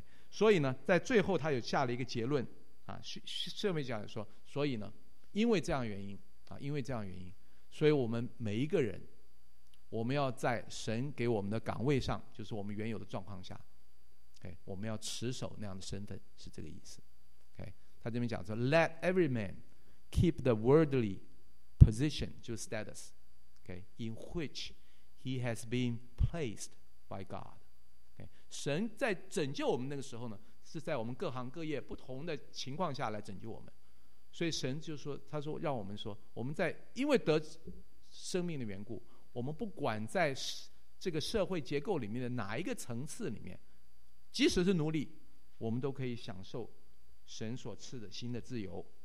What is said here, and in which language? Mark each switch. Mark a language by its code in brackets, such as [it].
[zh] 所以呢，在最后他有下了一个结论啊，这么讲说，所以呢，因为这样原因啊，因为这样原因，所以我们每一个人，我们要在神给我们的岗位上，就是我们原有的状况下 ，OK， 我们要持守那样的身份，是这个意思。 [en] OK， [zh] 他这边讲说 [en] ，Let every man keep the worldly position， [zh] 就是 [en] status， OK， in which he has been placed by God。 [zh] 神在拯救我们那个时候呢，是在我们各行各业不同的情况下来拯救我们，所以神就说，他说让我们说，我们在因为得生命的缘故，我们不管在这个社会结构里面的哪一个层次里面，即使是奴隶，我们都可以享受神所赐的新的自由。